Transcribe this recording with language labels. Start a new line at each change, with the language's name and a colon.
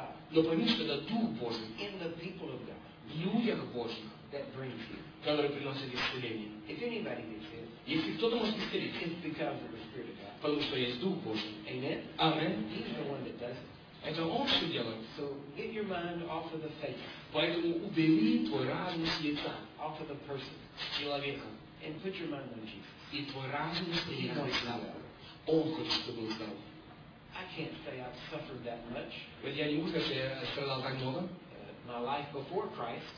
Russian: Но пойми, что это Дух Божий. В людях Божьих. Который приносит исцеление. Если кто-то может исцелить, потому что есть Дух Божий. Аминь. Это Он все делает.
English: So get your mind off of the face.
Russian: Поэтому убери твой разум с лица.
English: Off of the person.
Russian: С человека.
English: And put your mind on Jesus.
Russian: И твой разум стоит на лица. Он хочет, чтобы был здоров.
English: I can't say I've suffered that much.
Russian: Ведь я не могу сказать, что я страдал так много.
English: My life before Christ,